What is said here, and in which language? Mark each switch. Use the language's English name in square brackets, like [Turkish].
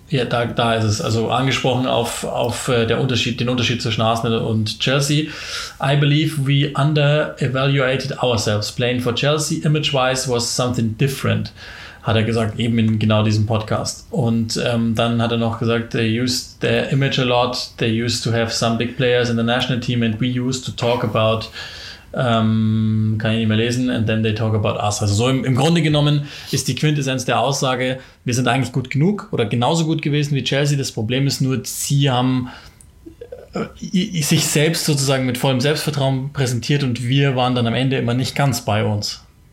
[German] Da ist es. Also angesprochen auf der Unterschied, den Unterschied zwischen Arsenal und Chelsea. [English] I believe we under-evaluated ourselves. Playing for Chelsea image-wise was something different, [German] hat er gesagt, eben in genau diesem Podcast. Und dann hat er noch gesagt, [English] they used their image a lot. They used to have some big players in the national team and we used to talk about, [German] kann ich nicht mehr lesen, [English] and then they talk about us. [German] Also so im Grunde genommen ist die Quintessenz der Aussage, wir sind eigentlich gut genug oder genauso gut gewesen wie Chelsea. Das Problem ist nur, sie haben sich selbst sozusagen mit vollem Selbstvertrauen präsentiert und wir waren dann am Ende immer nicht ganz bei uns.